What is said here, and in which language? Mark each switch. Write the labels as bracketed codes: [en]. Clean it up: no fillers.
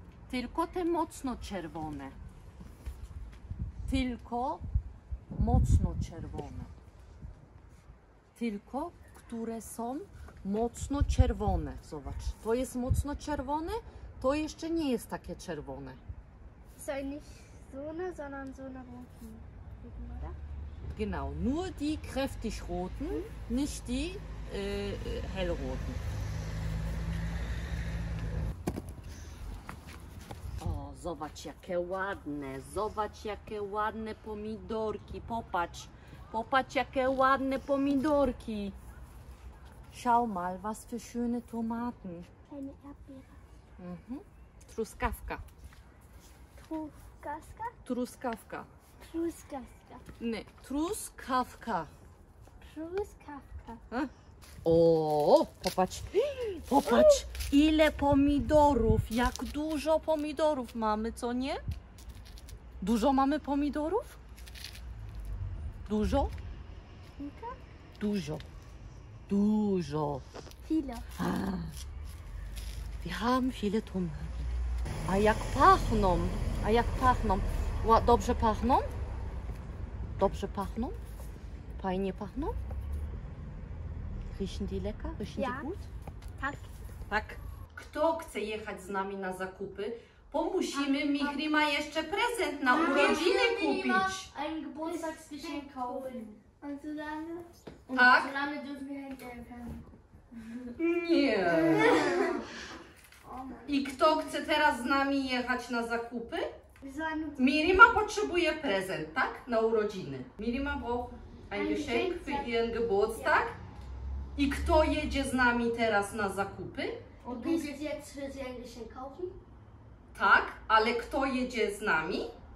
[pl] Tylko te mocno czerwone. Tylko mocno czerwone. Tylko, które są mocno czerwone. Zobacz, to jest mocno czerwone, to jeszcze nie jest takie czerwone. [de] So nicht so eine, sondern so eine roten. Genau, nur die kräftig roten, nicht die hellroten. [pl] O, zobacz jakie ładne, zobacz jakie ładne pomidorki, popatrz. Popatrz jakie ładne pomidorki. [de] Schau mal, was für schöne Tomaten. Eine Erdbeere. [pl] Mhm. Truskawka. Truskawka? Truskawka. Truskawka. Nee, Truskawka. Truskawka. O, popatrz. Popatrz, ile pomidorów. Jak dużo pomidorów mamy, co nie? Dużo mamy pomidorów? Dużo? Dużo. Dużo. [de] Viele. Wir haben viele Tomaten. [pl] A jak pachną? A jak pachną? Dobrze pachną? Dobrze pachną? Fajnie pachną? [de] Riechen die lecker? Riechen ja. die gut? [pl] Tak. Tak. Kto chce jechać z nami na zakupy? Bo musimy Michri ma jeszcze prezent na urodziny kupić. [de] Ein Geburtstagsgeschenk kaufen. Und solange dürfen wir hängen. [pl] Nie. I kto chce teraz z nami jechać na zakupy? Mirima potrzebuje prezent, tak? Na urodziny. [de] Mirima braucht ein Geschenk für ihren Geburtstag. [pl] I kto jedzie z nami teraz na zakupy? [de] Und du willst jetzt für sie ein Geschenk kaufen? [pl] Tak, ale kto jedzie z nami?